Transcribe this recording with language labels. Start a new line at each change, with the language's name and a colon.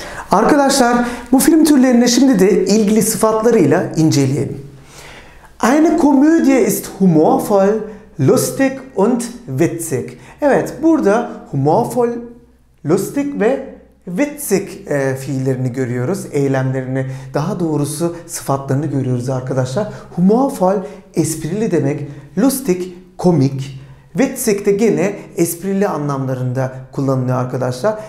Turkish: Arkadaşlar, bu film türlerini şimdi de ilgili sıfatlarıyla inceleyelim.
German: Eine Komödie ist humorvoll, lustig und witzig.
Turkish: Evet, burada humorvoll, lustig ve witzig fiillerini görüyoruz. Eylemlerini, daha doğrusu sıfatlarını görüyoruz arkadaşlar. Humorvoll, esprili demek. Lustig, komik. Witzig de gene esprili anlamlarında kullanılıyor arkadaşlar.